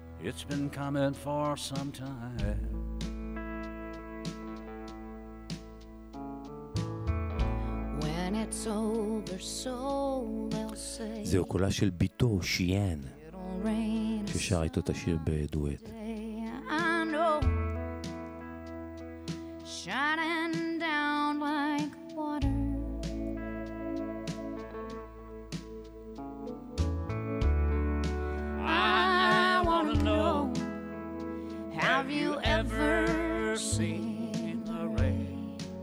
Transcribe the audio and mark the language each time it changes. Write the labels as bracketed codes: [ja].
[en] It's been coming for some time. When it's over, so they'll say. [he] זהו קולה של ביתו, שיאן, ששרה איתו את השיר בדואט. [en] I know. Shining down like water. Have you ever seen the rain?